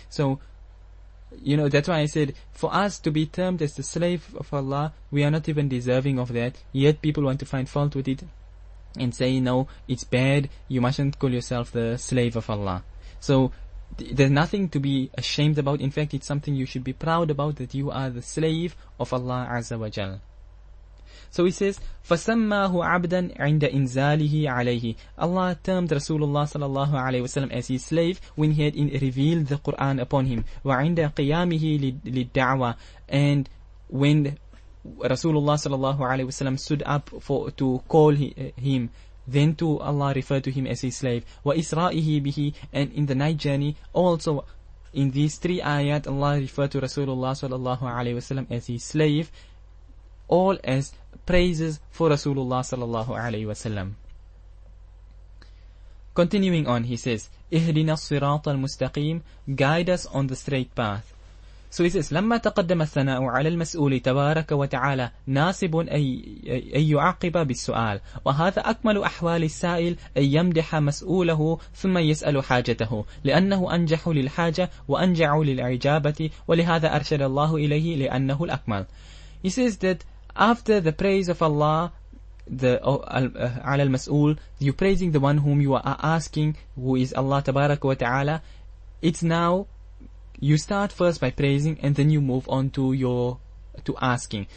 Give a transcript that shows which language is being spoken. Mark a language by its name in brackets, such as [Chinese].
[English] So, you know, that's why I said, for us to be termed as the slave of Allah, we are not even deserving of that. Yet people want to find fault with it and say, no, it's bad, you mustn't call yourself the slave of Allah. So there's nothing to be ashamed about. In fact, it's something you should be proud about, that you are the slave of Allah Azza wa Jal. So he says, [Arabic] فَسَمَّاهُ عَبْدًا عِنْدَ إِنْزَالِهِ عَلَيْهِ. [English] Allah termed Rasulullah sallallahu alayhi wa sallam as his slave when he had revealed the Quran upon him. [Arabic] وَعِنْدَ قِيَامِهِ لِلدَّعْوَى. [English] And when Rasulullah sallallahu alayhi wa sallam stood up to call him, then to Allah referred to him as his slave. [Arabic] وَإِسْرَائِهِ بِهِ. [English] And in the night journey, also in these three ayat, Allah referred to Rasulullah sallallahu alayhi wa sallam as his slave, all as praises for Rasulullah sallallahu alayhi wa sallam. Continuing on, he says, [Arabic] اهدنا الصراط المستقيم, [English] guide us on the straight path. [Arabic] So he says, لما تقدم الثناء على المسؤول تبارك وتعالى ناسب أن يعاقب بالسؤال, وهذا أكمل أحوال السائل أن يمدح مسؤوله ثم يسأل حاجته, لأنه أنجح للحاجة وأنجع للإجابة, ولهذا أرشد الله إليه لأنه الأكمل. [English] He says that after the praise of Allah, [Arabic] على المسؤول, [English] you praising the one whom you are asking, who is Allah [Arabic] تبارك وتعالى, [English] it's now you start first by praising and then you move on to your to asking.